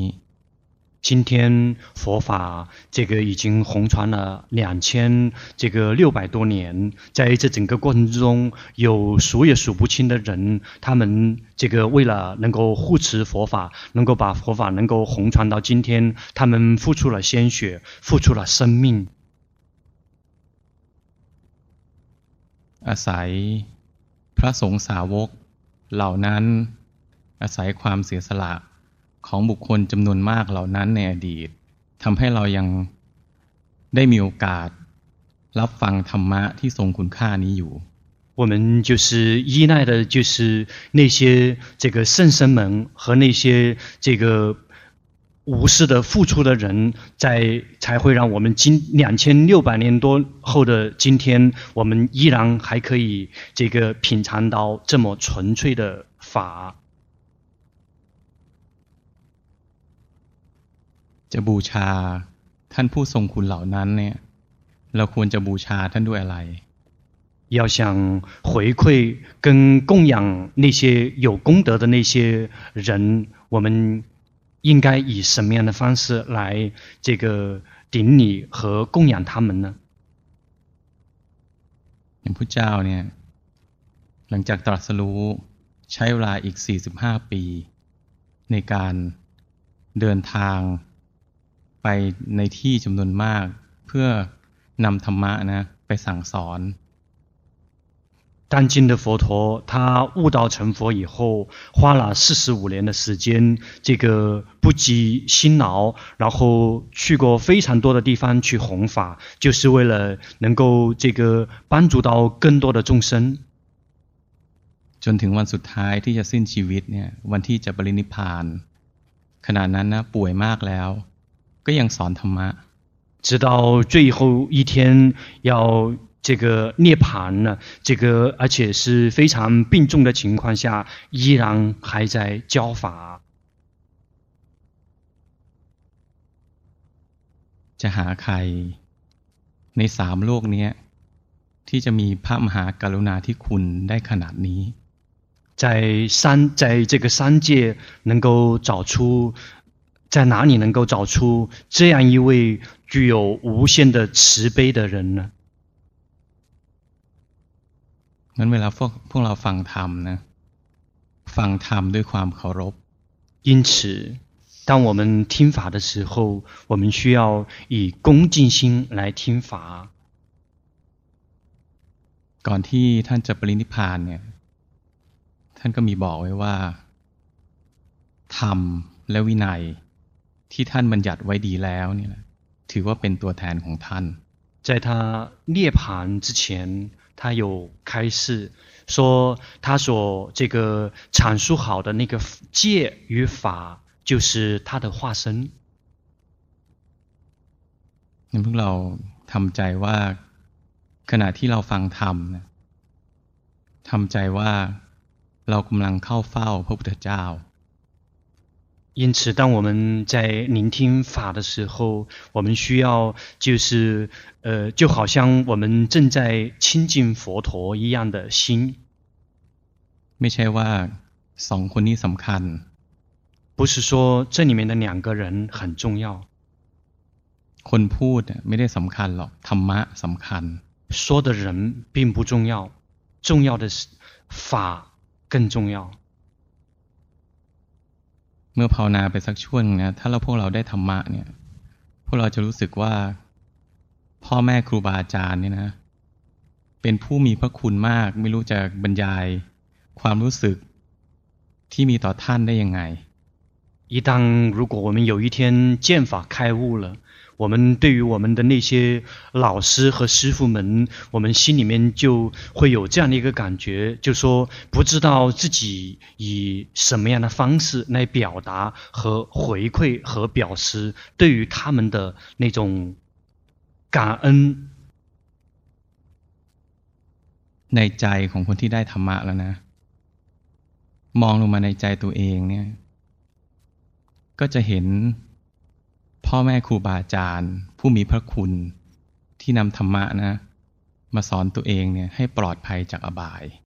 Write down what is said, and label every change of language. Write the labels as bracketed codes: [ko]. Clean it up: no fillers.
[zh] 今天佛法这个已经弘传了2600多年在这整个过程中有数也数不清的人他们这个为了能够护持佛法能够把佛法能够弘传到今天他们付出了鲜血付出了生命 [th] อาศัยพระสงฆ์สาวกเหล่านั้นอาศัยความเสียสละของบุคคลจำนวนมากเหล่านั้นในอดีตทำให้เรายังได้มีโอกาสรับฟังธรรมะที่ทรงคุณค่านี้อยู่ [zh] 我们就是依赖的就是那些这个圣僧们和那些这个无私的付出的人在才会让我们今2600年多后的今天我们依然还可以这个品尝到这么纯粹的法 [th] จะบูชาท่านผู้ทรงคุณเหล่านั้นเนี่ยเราควรจะบูชาท่านด้วยอะไร [zh] 要想回馈跟供养那些有功德的那些人我们应该以什么样的方式来这个顶礼和供养他们呢 [th] อย่างพุทธเจ้าเนี่ยหลังจากตรัสรู้ใช้เวลาอีก45ปีในการเดินทางไปในที่จำนวนมากเพื่อนำธรรมะนะไปสั่งสอน [zh] 当今的佛陀他悟道成佛以后花了45年的时间这个不计辛劳然后去过非常多的地方去弘法就是为了能够这个帮助到更多的众生 [th] จนถึงวันสุดท้ายที่จะสิ้นชีวิตเนี่ยวันที่จะปรินิพพานขณะนั้นนะป่วยมากแล้วก็ยังสอนธรรมะ [zh] 直到最后一天要这个涅槃呢这个而且是非常病重的情况下依然还在教法 [th] จะหาใครใน3โลกนี้ที่จะมีพระมหากรุณาที่คุณได้ขนาดนี้ [zh] 在这个三界能够找出在哪里能够找出这样一位具有无限的慈悲的人呢 [th] นั้นเวลาพวกเราฟังธรรมนะฟังธรรมด้วยความเคารพ [zh] 因此当我们听法的时候我们需要以恭敬心来听法 [th] ก่อนที่ท่านจะปรินิพพานเนี่ยท่านก็มีบอกไว้ว่าธรรมและวินัยที่ท่านบัญญัติไว้ดีแล้วนี่แหละถือว่าเป็นตัวแทนของท่าน [zh] 在他涅槃之前他有开示说他所这个阐述好的那个戒与法就是他的化身 [th] นี่พวกเราทำใจว่าขณะที่เราฟังธรรมนะทำใจว่าเรากำลังเข้าเฝ้าพระพุทธเจ้า [zh] 因此当我们在聆听法的时候我们需要就是就好像我们正在亲近佛陀一样的心 [th] ไม่ใช่ว่าสองคนนี้สำคัญ [zh] 不是说这里面的两个人很重要 [th] คนพูดไม่ได้สำคัญหรอกธรรมะสำคัญ [zh] 说的人并不重要重要的是法更重要 [th] เมื่อภาวนาไปสักช่วงนะถ้าเราพวกเราได้ธรรมะเนี่ยพวกเราจะรู้สึกว่าพ่อแม่ครูบาอาจารย์เนี่ยนะเป็นผู้มีพระคุณมากไม่รู้จะบรรยายความรู้สึกที่มีต่อท่านได้ยังไง [zh] 一旦如果我们有一天见法开悟了我们对于我们的那些老师和师父们我们心里面就会有这样的一个感觉就说不知道自己以什么样的方式来表达和回馈和表示对于他们的那种感恩 [th] ในใจของคนที่ได้ธรรมะแล้วนะมองลงมาในใจตัวเองเนี่ยก็จะเห็นพ่อแม่ครูบาอาจารย์ผู้มีพระคุณที่นำธรรมะนะมาสอนตัวเองเนี่ยให้ปลอดภัยจากอบาย